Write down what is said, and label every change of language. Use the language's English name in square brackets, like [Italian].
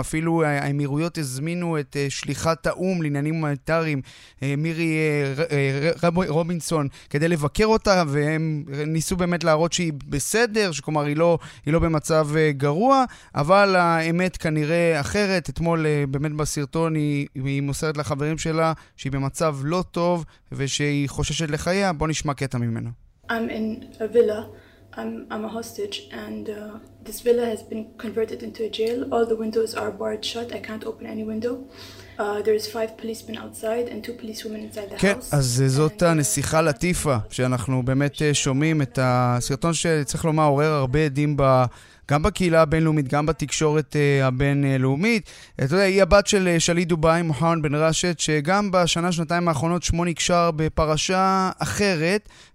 [Hebrew] אפילו האמירויות הזמינו את שליחת האום לעניינים הומניטריים, מירי רובינסון, כדי לבקר אותה, והם ניסו באמת להראות שהיא בסדר, שכלומר היא לא במצב גרוע, אבל האמת כנראה אחרת. אתמול באמת בסרטון היא מוסרת לחברים שלה שהיא במצב לא טוב ושהיא חוששת לחייה. בוא נשמע קטע ממנו. [English] I'm in a villa. I'm a hostage, and this villa has been converted into a jail. All the windows are barred shut. I can't open any window. There's 5 policemen outside and 2 policewomen inside the [Hebrew] כן, [English] house. [Hebrew] אז זאת הנסיכה לטיפה שאנחנו באמת שומעים את הסרטון שצריך לומר עורר הרבה עדים גם בקהילה הבינלאומית, גם בתקשורת הבינלאומית. אתה יודע, היא הבת של שלי דובאי, מוחמד בן רשת, שגם בשנה, שנתיים האחרונות, שמו נקשר בפרשה אחרת.